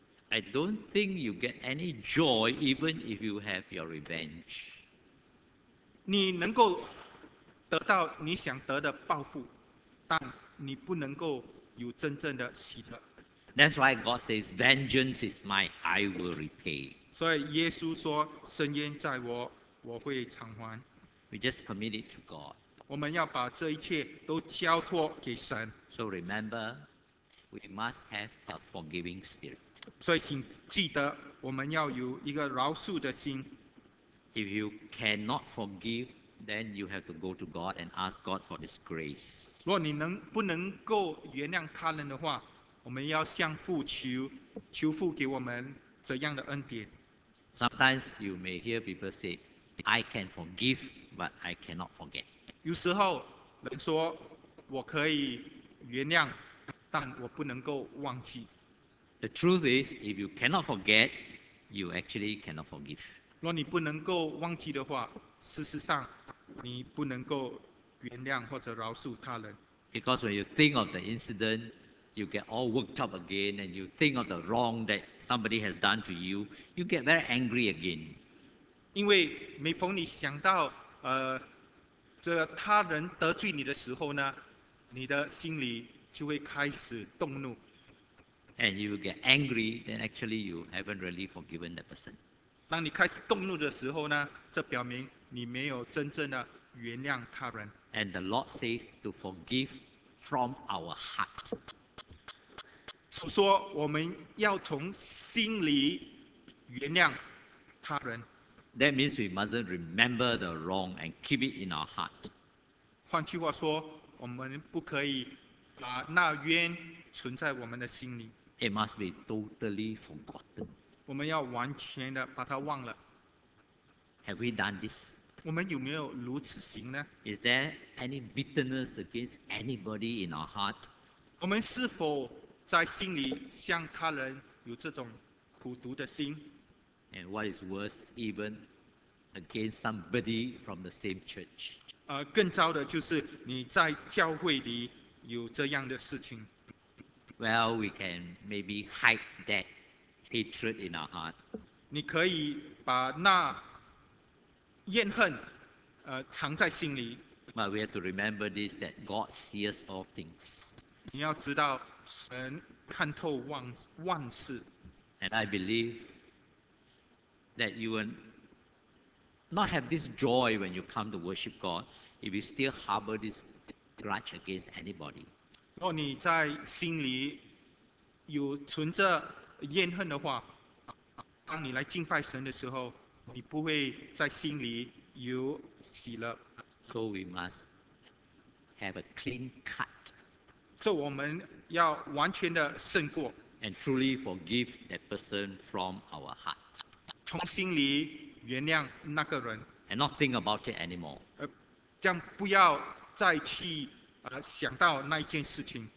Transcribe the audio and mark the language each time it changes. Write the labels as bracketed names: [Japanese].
[English] I don't think you get any joy even if you have your revenge. [Chinese] 你能够得到你想得的报复，但你不能够有真正的喜乐。 [English] That's why God says, "Vengeance is mine; I will repay." [Chinese] 所以耶稣说，深渊在我，我会偿还。 [English] We just commit it to God. [Chinese] 我们要把这一切都交托给神。 [English] So remember, we must have a forgiving spirit. [Chinese] 所以请记得，我们要有一个饶恕的心。 [English] If you cannot forgive, then you have to go to God and ask God for His grace. [Chinese] 如果你不能够原谅他人的话，我们要向父求，求父给我们怎样的恩典。 [English] Sometimes you may hear people say, "I can forgive, but I cannot forget." [Chinese] 有时候人说，我可以原谅，但我不能够忘记。 [English] The truth is, if you cannot forget, you actually cannot forgive. [Chinese] 如果你不能够忘记的话，事实上你不能够原谅或者饶恕他人。 [English] Because when you think of the incident, you get all worked up again, and you think of the wrong that somebody has done to you, you get very angry again. [Chinese] 因为每逢你想到这他人得罪你的时候呢，你的心里就会开始动怒。 [English] And you get angry, then actually you haven't really forgiven that person. [Chinese] 当你开始动怒的时候呢，这表明你没有真正的原谅他人。 [English] And the Lord says to forgive from our heart. [Chinese] 主说我们要从心里原谅他人。 [English] That means we mustn't remember the wrong and keep it in our heart. [Chinese] 换句话说，我们不可以把那冤存在我们的心里。 [English] It must be totally forgotten. [Chinese] 我们要完全的把它忘了。 [English] Have we done this? [Chinese] 我们有没有如此行呢？ [English] Is there any bitterness against anybody in our heart? [Chinese] 我们是否在心里向他人有这种苦毒的心？ [English] And what is worse, even against somebody from the same church? [Chinese] 更糟的就是你在教会里有这样的事情。 [English] Well, we can maybe hide that hatred in our heart. [Chinese] 你可以把那怨恨藏在心里。 [English] But we have to remember this, that God sees all things. [Chinese] 你要知道神看透万事。 [English] And I believe that you will not have this joy when you come to worship God if you still harbor this grudge against anybody. [Chinese] 如果你在心里有存着怨恨的话，当你来敬拜神的时候，你不会在心里有喜乐。 [English] So we must have a clean cut. [Chinese] 所以我们要完全的胜过。 [English] And truly forgive that person from our heart. [Chinese] 从心里原谅那个人。 [English] And not think about it anymore. [Chinese] 这样不要再去想到那一件事情。